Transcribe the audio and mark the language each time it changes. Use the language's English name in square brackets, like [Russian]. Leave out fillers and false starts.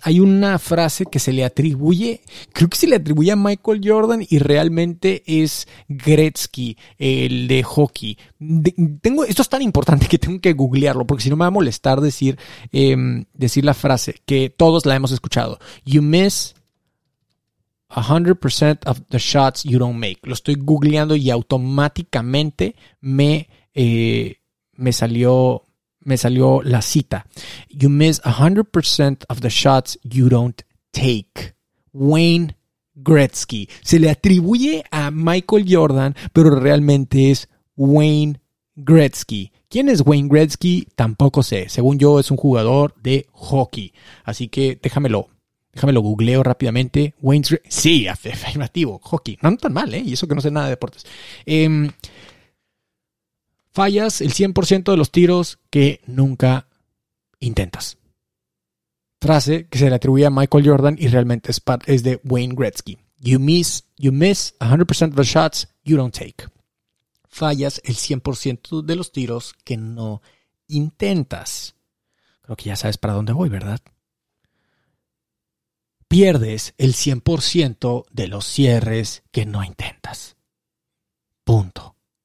[Spanish] Hay una frase que se le atribuye, creo que se le atribuye a Michael Jordan y realmente es Gretzky, el de hockey. Esto es tan importante que tengo que googlearlo porque si no me va a molestar decir la frase que todos la hemos escuchado. [English] You miss 100% of the shots you don't make. [Spanish] Lo estoy googleando y automáticamente me salió la cita. [English] You miss 100% of the shots you don't take. [Spanish] Wayne Gretzky. Se le atribuye a Michael Jordan, pero realmente es Wayne Gretzky. ¿Quién es Wayne Gretzky? Tampoco sé. Según yo, es un jugador de hockey. Así que déjamelo googleo rápidamente. Wayne sí, afirmativo, hockey. No tan mal, ¿eh? Y eso que no sé nada de deportes. Fallas el 100% de los tiros que nunca intentas. Frase que se le atribuye a Michael Jordan y realmente es de Wayne Gretzky. [English] You miss 100% of the shots you don't take. [Spanish] Fallas el 100% de los tiros que no intentas. Creo que ya sabes para dónde voy, ¿verdad? Pierdes el 100% de los cierres que no intentas. Punto.